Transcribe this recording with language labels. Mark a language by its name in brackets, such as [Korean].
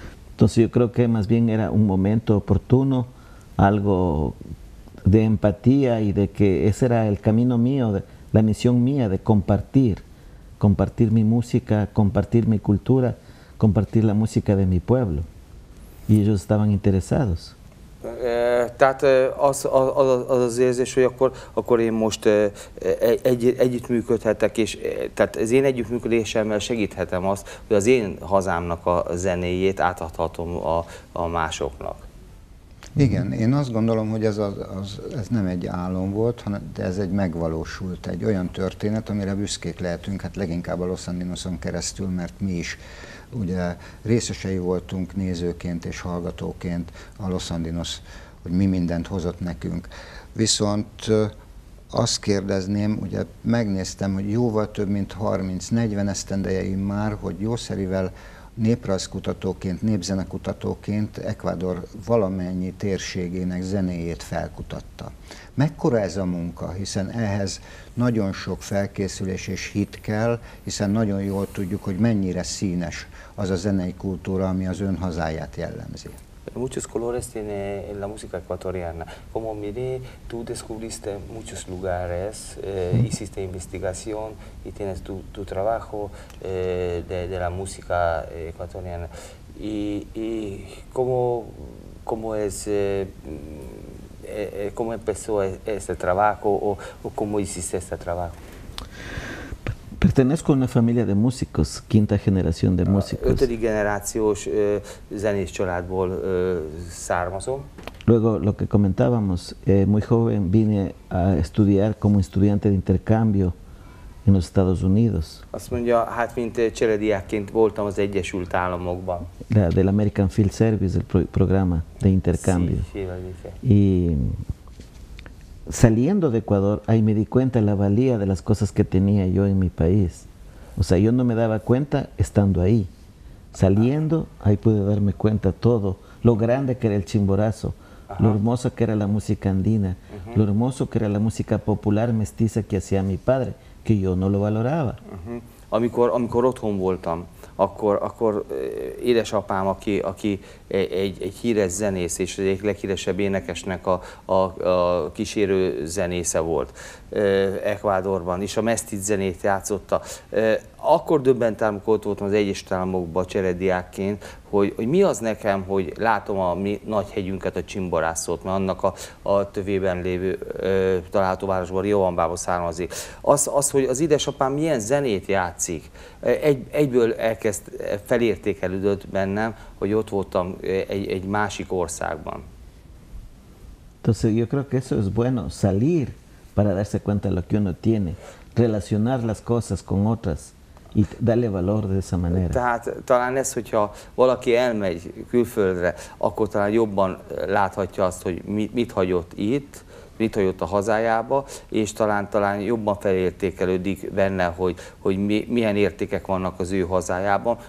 [Spanish] Entonces yo creo que más bien era un momento oportuno, algo de empatía y de que ese era el camino mío, la misión mía de compartir compartir mi música, compartir mi cultura, compartir la música de mi pueblo. Y ellos estaban interesados. [Hungarian] Tehát az az érzés, hogy akkor én most együttműködhetek, és tehát az én együttműködésemmel segíthetem azt, hogy az én hazámnak a zenéjét átadhatom a másoknak. Igen, én azt gondolom, hogy ez nem egy álom volt, hanem de ez egy megvalósult, egy olyan történet, amire büszkék lehetünk, hát leginkább a Los Andinoson keresztül, mert mi is ugye részesei voltunk nézőként és hallgatóként a Los Andinos, hogy mi mindent hozott nekünk. Viszont azt kérdezném, ugye megnéztem, hogy jóval több mint 30-40 esztendejeim már, hogy Jószerivel néprajzkutatóként, népzenekutatóként Ecuador valamennyi térségének zenéjét felkutatta. Mekkora ez a munka? Hiszen ehhez nagyon sok felkészülés és hit kell, hiszen nagyon jól tudjuk, hogy mennyire színes az a zenei kultúra, ami az ön hazáját jellemzi. [Spanish] Muchos colores tiene la música ecuatoriana. Como miré, tú descubriste muchos lugares, hiciste investigación y tienes tu trabajo de la música ecuatoriana. Y cómo empezó este trabajo o cómo hiciste este trabajo? Pertenezco a una familia de músicos, quinta generación de músicos. [Hungarian] Ötödi generációs zenész családból származom. [Spanish] Luego, lo que comentábamos, muy joven vine a estudiar como estudiante de intercambio en los Estados Unidos. [Hungarian] Azt mondja, hát mint cselediákként voltam az Egyesült Államokban. [Spanish] Del American Field Service, el programa de intercambio. Sí, saliendo de Ecuador, ahí me di cuenta de la valía de las cosas que tenía yo en mi país. O sea, yo no me daba cuenta estando ahí. Saliendo, ahí pude darme cuenta todo. Lo grande que era el Chimborazo, lo hermosa que era la música andina, lo hermoso que era la música popular mestiza que hacía mi padre, que yo no lo valoraba. [Hungarian] Amikor otthon voltam, akkor édesapám, aki egy híres zenész és egy leghíresebb énekesnek a kísérő zenésze volt Ecuadorban, és a mesztit zenét játszotta. Akkor döbbentem, amikor ott voltam az Egyesült Államokban cselediákként, hogy mi az nekem, hogy látom a mi nagy hegyünket, a Chimborazót, mert annak a tövében lévő található városban, Riobambában származik. Az, hogy az édesapám milyen zenét játszik, egyből elkezd felértékelődött bennem, hogy ott voltam egy másik országban. [Spanish] Entonces, yo creo que eso es bueno, salir para darse cuenta de lo que uno tiene, relacionar las cosas con otras. Itt dale valor de esa manera. [Hungarian] Tehát talán ez, hogyha valaki elmegy külföldre, akkor talán jobban láthatja azt, hogy mit hagyott itt, mit hagyott a hazájába, és talán jobban felértékelődik benne, hogy milyen értékek vannak az ő hazájában.